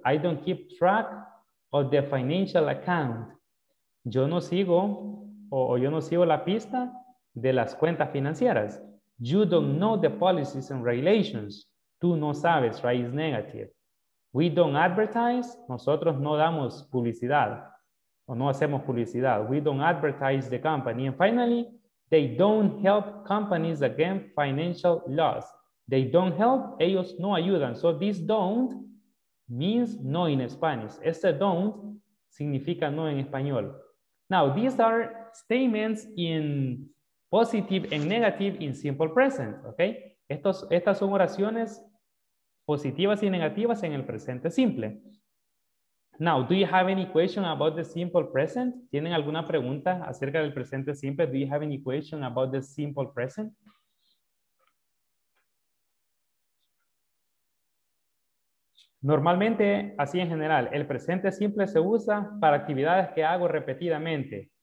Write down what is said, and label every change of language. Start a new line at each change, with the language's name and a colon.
English: I don't keep track of the financial account.
Spanish: Yo no sigo o yo no sigo la pista de las cuentas financieras.
English: You don't know the policies and regulations.
Spanish: Tú no sabes,
English: right? It's negative. We don't advertise.
Spanish: Nosotros no damos publicidad. O no hacemos publicidad.
English: We don't advertise the company. And finally, they don't help companies against financial loss. They don't help.
Spanish: Ellos no ayudan.
English: So this don't means no in Spanish.
Spanish: Este don't significa no en español.
English: Now, these are statements in positive and negative in simple present. Okay?
Spanish: Estas son oraciones positivas y negativas en el presente simple.
English: Now, do you have any question about the simple present?
Spanish: ¿Tienen alguna pregunta acerca del presente simple?
English: Do you have any question about the simple present?
Spanish: Normalmente, así en general, el presente simple se usa para actividades que hago repetidamente.